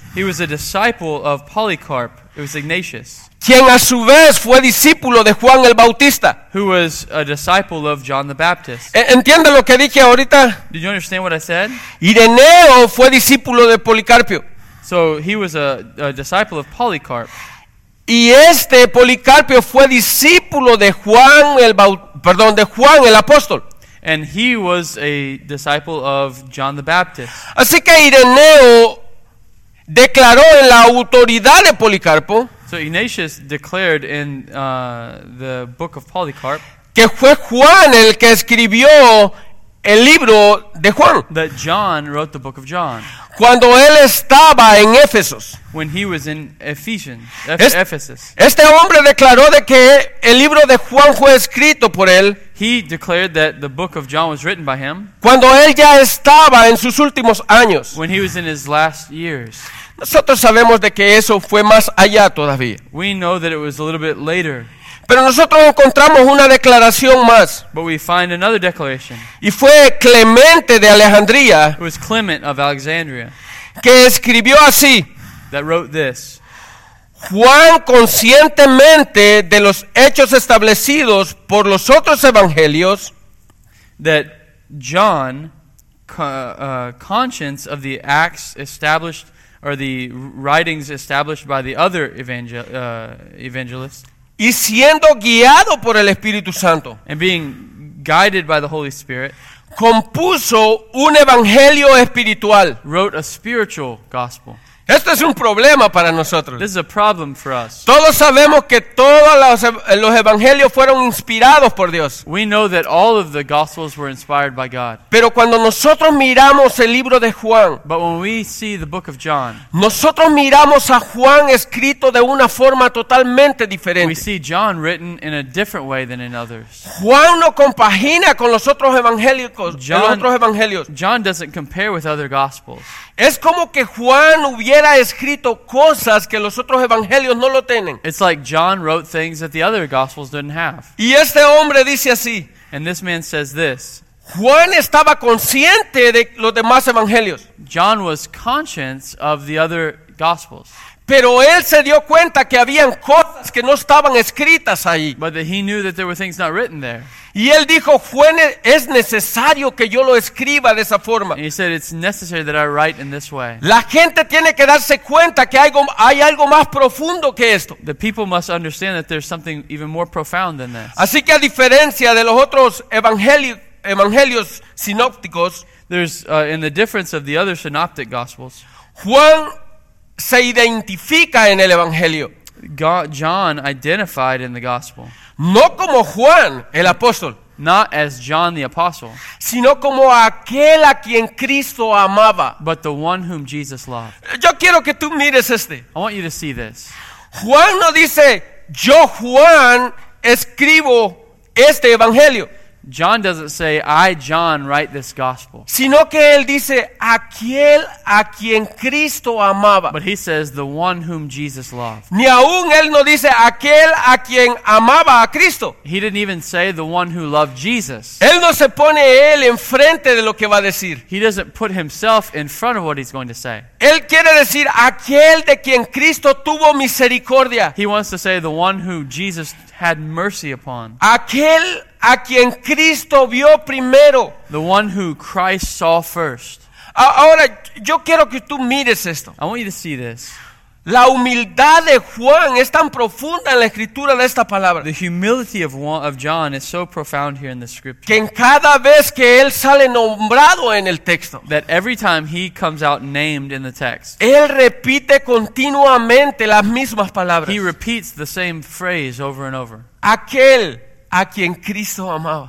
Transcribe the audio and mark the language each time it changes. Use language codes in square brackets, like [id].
[en] He was a disciple of Polycarp. It was Ignatius. [es] Quien a su vez fue discípulo de Juan el Bautista. [en] Who was a disciple of John the Baptist. [es] ¿Entiende lo que dije ahorita? [en] Did you understand what I said? [es] Ireneo fue discípulo de Policarpio. [en] So he was a disciple of Polycarp. [es] Y este Policarpio fue discípulo de Juan el apóstol. [en] And he was a disciple of John the Baptist. [es] Así que Ireneo declaró en la autoridad de Policarpo. [en] So Ignatius declared in the book of Polycarp [es] que fue Juan el que escribió el libro de Juan. [en] That John wrote the book of John. [es] Cuando él estaba en Éfeso. [en] When he was in Ephesians, Ephesus. [es] Este hombre declaró de que el libro de Juan fue escrito por él. [en] He declared that the book of John was written by him. [es] Cuando él ya estaba en sus últimos años. [en] When he was in his last years. [es] Nosotros sabemos de que eso fue más allá todavía. [en] We know that it was a little bit later. [es] Pero nosotros encontramos una declaración más. [en] But we find another declaration. [es] Y fue Clemente de Alejandría. [en] It was Clement of Alexandria. [es] Que escribió así. [en] That wrote this. [es] Juan, conscientemente de los hechos establecidos por los otros evangelios. [en] That John, conscience of the acts established or the writings established by the other evangelists. [es] Y siendo guiado por el Espíritu Santo. [en] And being guided by the Holy Spirit. [es] Compuso un evangelio espiritual. [en] Wrote a spiritual gospel. [es] Esto es un problema para nosotros. [en] This is a problem for us. [es] Todos sabemos que todos los evangelios fueron inspirados por Dios. [en] We know that all of the gospels were inspired by God. [es] Pero cuando nosotros miramos el libro de Juan, [en] but when we see the book of John, [es] nosotros miramos a Juan escrito de una forma totalmente diferente. [en] We see John written in a different way than in others. [es] Juan no compagina con los otros evangélicos, con los otros evangelios. [en] John doesn't compare with other gospels. [es] Es como que Juan hubiera escrito cosas que los otros evangelios no lo tienen. [en] It's like John wrote things that the other gospels didn't have. [es] Y este hombre dice así. [en] And this man says this. [es] Juan estaba consciente de los demás evangelios. [en] John was conscious of the other gospels. [es] Pero él se dio cuenta que habían cosas que no estaban escritas ahí. [en] But he knew that there were things not written there. [es] Y él dijo, es necesario que yo lo escriba de esa forma. [en] And he said, it's necessary that I write in this way. [es] La gente tiene que darse cuenta que hay algo más profundo que esto. [en] The people must understand that there's something even more profound than this. [es] Así que a diferencia de los otros evangelios sinópticos, [en] there's in the difference of the other synoptic gospels, [es] Juan se identifica en el evangelio. [en] John identified in the gospel. [es] No como Juan el apóstol, [en] not as John the apostle, [es] sino como aquel a quien Cristo amaba, [en] but the one whom Jesus loved. [es] Yo quiero que tú mires este. [en] I want you to see this. [es] Juan no dice, yo Juan escribo este evangelio. [en] John doesn't say, I, John, write this gospel. [es] Sino que él dice, aquel a quien Cristo amaba. [en] But he says, the one whom Jesus loved. [es] Ni aún él no dice, aquel a quien amaba a Cristo. [en] He didn't even say, the one who loved Jesus. [es] Él no se pone él enfrente de lo que va a decir. [en] He doesn't put himself in front of what he's going to say. [es] Él quiere decir, aquel de quien Cristo tuvo misericordia. [en] He wants to say, the one who Jesus had mercy upon. [es] Aquel a quien Cristo vio primero. [en] The one who Christ saw first. [es] Ahora, yo quiero que tú mires esto. [en] I want you to see this. [es] La humildad de Juan es tan profunda en la escritura de esta palabra. [en] The humility of John is so profound here in the scripture. [es] Que en cada vez que él sale nombrado en el texto. [en] That every time he comes out named in the text. [es] Él repite continuamente las mismas palabras. [en] He repeats the same phrase over and over. [es] Aquel a quien Cristo amaba.